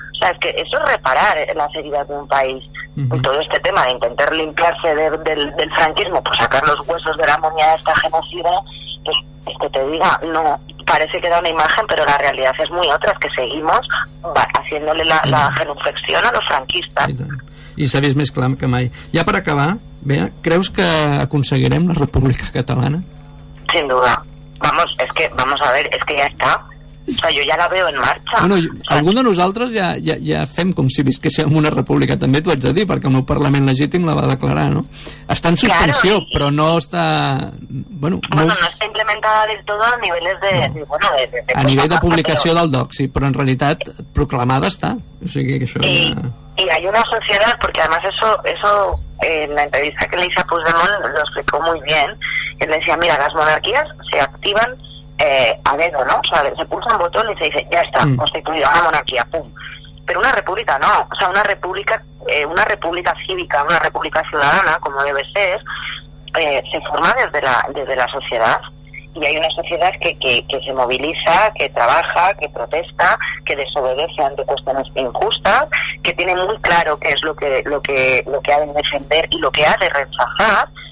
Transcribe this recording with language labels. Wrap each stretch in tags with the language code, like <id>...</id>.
<es>O sea, es que eso es reparar las heridas de un país. Uh-huh. Todo este tema de intentar limpiarse del franquismo, pues sacar los huesos de la momia de esta genocida, pues es que te diga, no, parece que da una imagen, pero la realidad es muy otra, es que seguimos haciéndole la genuflexión a los franquistas.</es> <ca>I sabies més clar que mai. Ja per acabar, Bea, ¿creus que aconseguirem la República Catalana?</ca> <es>Sin duda. Vamos, es que, vamos a ver, es que ya está. O sea, yo ya la veo en marcha. Bueno, yo,</es> <ca>algun de nosaltres ja fem com si visquéssim una república, també t'ho haig de dir, perquè el meu Parlament legítim la va declarar, no? Està en suspensió,</ca> <es>claro,</es> <ca>però no està... Bueno, no està implementada del tot a nivells de... No. A nivell de publicació del DOC, sí, però en realitat proclamada està. O sigui que això...</ca> <es>Y hay una sociedad, porque además eso en la entrevista que le hice a Puigdemont lo explicó muy bien, y él decía, mira, las monarquías se activan a dedo, ¿no? O sea, se pulsa un botón y se dice, ya está, constituida una monarquía, pum. Pero una república no, o sea, una república cívica, una república ciudadana, como debe ser, se forma desde la sociedad, y hay una sociedad que se moviliza, que trabaja, que protesta, que desobedece ante cuestiones injustas, que tiene muy claro qué es lo que ha de defender y lo que ha de rechazar.</es>